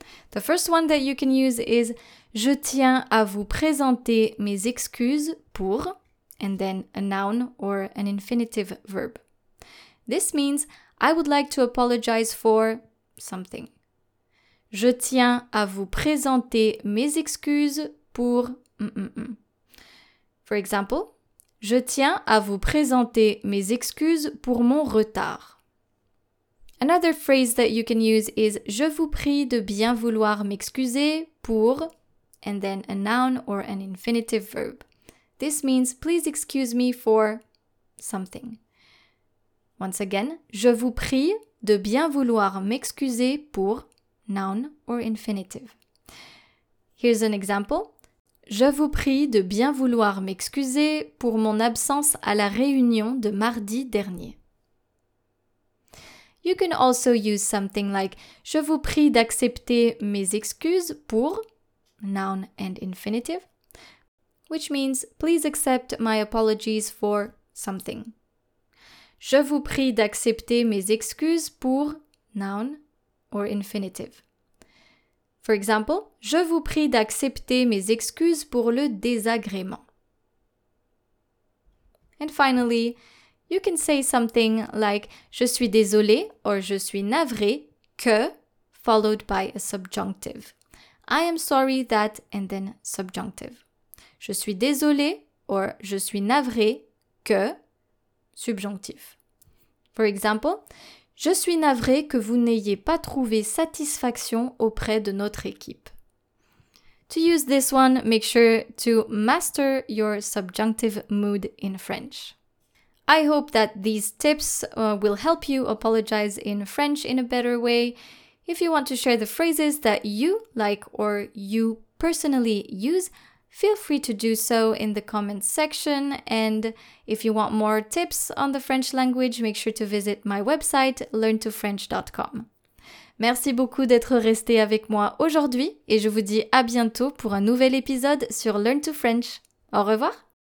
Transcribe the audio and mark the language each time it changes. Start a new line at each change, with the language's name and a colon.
English: The first one that you can use is
French: je tiens à vous présenter mes excuses pour,
English: and then a noun or an infinitive verb. This means I would like to apologize for something.
French: Je tiens à vous présenter mes excuses pour...
English: For example,
French: je tiens à vous présenter mes excuses pour mon retard.
English: Another phrase that you can use is
French: je vous prie de bien vouloir m'excuser pour...
English: and then a noun or an infinitive verb. This means, please excuse me for something. Once again,
French: je vous prie de bien vouloir m'excuser pour
English: noun or infinitive. Here's an example.
French: Je vous prie de bien vouloir m'excuser pour mon absence à la réunion de mardi dernier.
English: You can also use something like
French: je vous prie d'accepter mes excuses pour
English: noun and infinitive. Which means, please accept my apologies for something.
French: Je vous prie d'accepter mes excuses pour
English: noun or infinitive. For example,
French: je vous prie d'accepter mes excuses pour le désagrément.
English: And finally, you can say something like
French: je suis désolé or je suis navré que
English: followed by a subjunctive. I am sorry that and then subjunctive.
French: Je suis désolé or je suis navré que, subjonctif.
English: For example,
French: je suis navrée que vous n'ayez pas trouvé satisfaction auprès de notre équipe.
English: To use this one, make sure to master your subjunctive mood in French. I hope that these tips will help you apologize in French in a better way. If you want to share the phrases that you like or you personally use, feel free to do so in the comments section. And if you want more tips on the French language, make sure to visit my website, learntofrench.com.
French: Merci beaucoup d'être resté avec moi aujourd'hui et je vous dis à bientôt pour un nouvel épisode sur Learn to French. Au revoir!